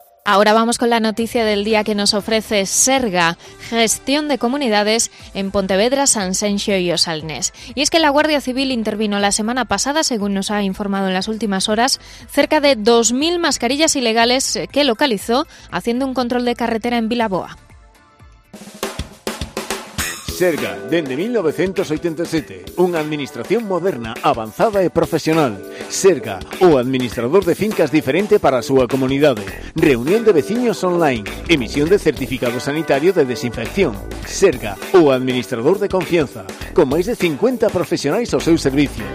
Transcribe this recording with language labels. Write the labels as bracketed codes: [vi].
[es] Ahora vamos con la noticia del día que nos ofrece Serga, gestión de comunidades en Pontevedra, Sanxenxo y Osalnés. Y es que la Guardia Civil intervino la semana pasada, según nos ha informado en las últimas horas, cerca de 2.000 mascarillas ilegales que localizó haciendo un control de carretera en Vilaboa. [gl] Serga, dende 1987, unha administración moderna, avanzada e profesional. Serga, o administrador de fincas diferente para a súa comunidade. Reunión de veciños online, emisión de certificado sanitario de desinfección. Serga, o administrador de confianza, con máis de 50 profesionais ao seu servicio.